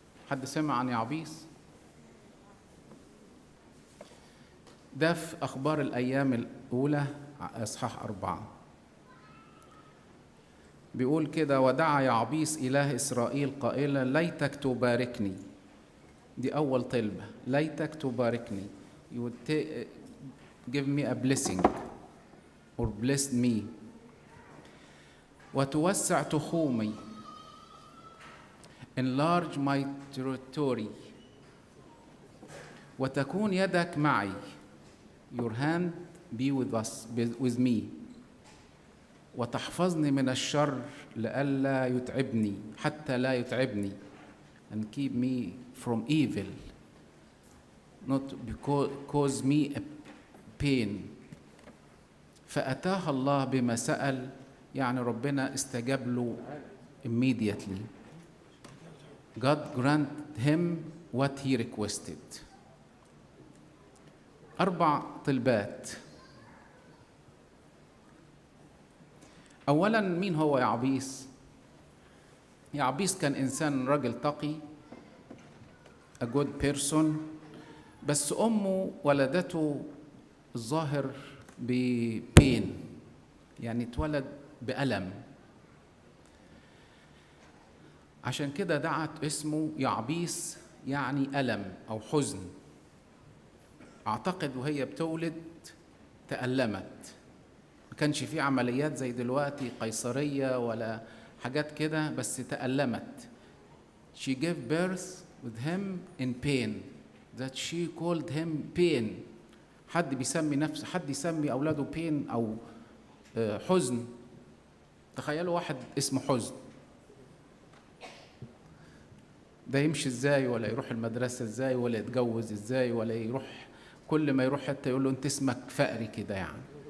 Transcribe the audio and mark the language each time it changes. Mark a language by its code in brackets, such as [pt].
[ar] حد سمع عن يعبيس؟ ده في أخبار الأيام الأولى أصحاح 4 بيقول كده: ودعا يعبيس إله إسرائيل قائلا: ليتك تباركني. دي أول طلبة، ليتك تباركني. [en] You give me a blessing or bless me. [ar] وتوسع تخومي. [en] Enlarge my territory. [ar] وتكون يدك معي. [en] Your hand be with us, with me. [ar] وتحفظني من الشر لألا يتعبني، حتى لا يتعبني. [en] And keep me from evil, not cause me a pain. [ar] فأتاه الله بما سأل، يعني ربنا استجاب له immediately. [en] God granted him what he requested. [ar] أربع طلبات. أولاً مين هو يعبيس؟ يعبيس كان إنسان رجل تقي، a good person، بس أمه ولدته الظاهر ببين، يعني اتولد بألم. عشان كده دعت اسمه يعبيس، يعني ألم أو حزن. أعتقد وهي بتولد تألمت، ما كانش في عمليات زي دلوقتي قيصرية ولا حاجات كده، بس تألمت. [en] She gave birth with him in pain. That she called him pain. [ar] حد بيسمي نفس حد يسمي أولاده pain أو حزن؟ تخيلوا واحد اسمه حزن، ده يمشي إزاي؟ ولا يروح المدرسة إزاي؟ ولا يتجوز إزاي؟ ولا يروح كل ما يروح حتى يقول له انت اسمك فقري كده يعني.